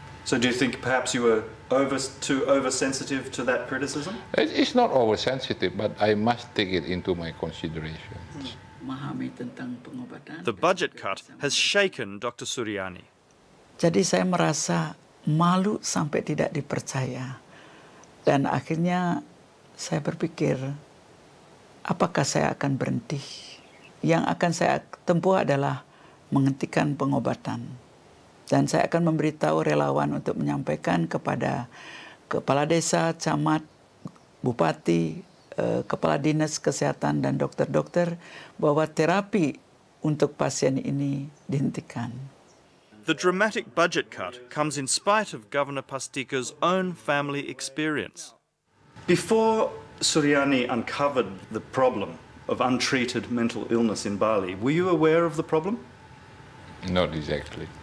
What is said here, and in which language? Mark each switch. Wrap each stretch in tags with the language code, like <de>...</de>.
<en>So do you think perhaps you were too oversensitive to that criticism? It's not oversensitive, but I must take it into my consideration. The budget cut has shaken Dr. Suryani.</en> <id>Jadi saya merasa malu sampai tidak dipercaya. Dan akhirnya saya berpikir, apakah saya akan berhenti? Yang akan saya tempuh adalah menghentikan pengobatan. Dan saya akan memberitahu relawan untuk menyampaikan kepada kepala desa, camat, bupati, kepala dinas kesehatan dan dokter-dokter bahwa terapi untuk pasien ini dihentikan.</id> <en>The dramatic budget cut comes in spite of Governor Pastika's own family experience. Before Suryani uncovered the problem of untreated mental illness in Bali, were you aware of the problem? Not exactly.</en>